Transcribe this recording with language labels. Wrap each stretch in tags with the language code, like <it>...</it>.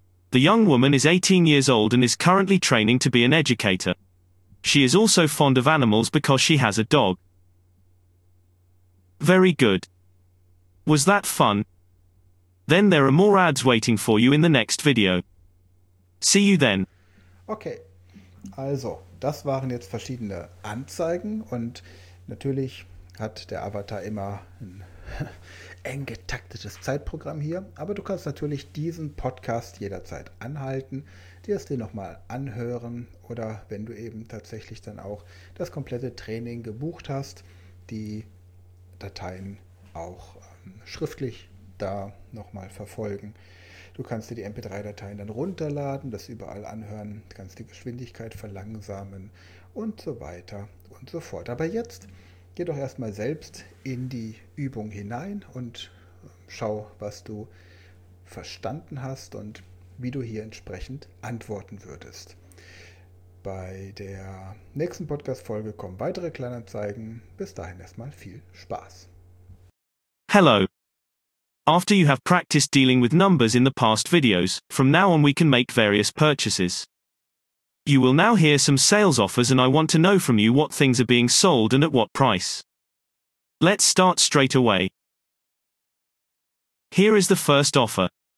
<en>The young woman is 18 years old and is currently training to be an educator. She is also fond of animals because she has a dog. Very good. Was that fun? Then there are more ads waiting for you in the next video. See you then.</en> <de>Okay, also, das waren jetzt verschiedene Anzeigen und natürlich hat der Avatar immer ein eng getaktetes Zeitprogramm hier, aber du kannst natürlich diesen Podcast jederzeit anhalten, dir es dir nochmal anhören oder wenn du eben tatsächlich dann auch das komplette Training gebucht hast, die Dateien auch schriftlich da nochmal verfolgen. Du kannst dir die MP3-Dateien dann runterladen, das überall anhören, kannst die Geschwindigkeit verlangsamen und so weiter und so fort. Aber jetzt geh doch erstmal selbst in die Übung hinein und schau, was du verstanden hast und wie du hier entsprechend antworten würdest. Bei der nächsten Podcast-Folge kommen weitere Kleinanzeigen. Bis dahin erstmal viel Spaß.</de> <en>Hello. After you have practiced dealing with numbers in the past videos, from now on we can make various purchases. You will now hear some sales offers and I want to know from you what things are being sold and at what price. Let's start straight away. Here is the first offer.</en>